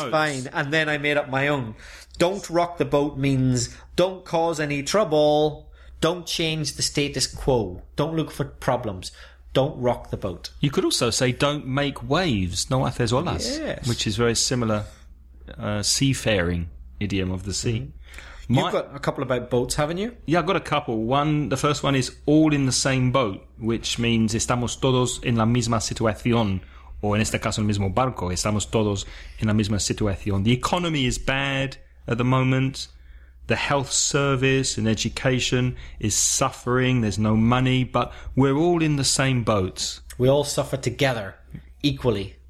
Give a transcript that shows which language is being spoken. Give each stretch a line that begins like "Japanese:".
English: I've been spying, and then I made up my own. Don't rock the boat means don't cause any trouble, don't change the status quo, don't look for problems. Don't rock the boat. You could also say don't make waves, no haces olas, yes. Which is very similar... seafaring idiom of the sea. Mm-hmm. You've got a couple about boats, haven't you? Yeah, I've got a couple.
Spanish: One, the first one is all in the same boat, which means estamos todos en la misma situación, or en este caso en el mismo barco, estamos todos en la misma situación.
English: The economy is bad at the moment. The health service and education is suffering. There's no money, but we're all in the same boat. We all suffer together, equally.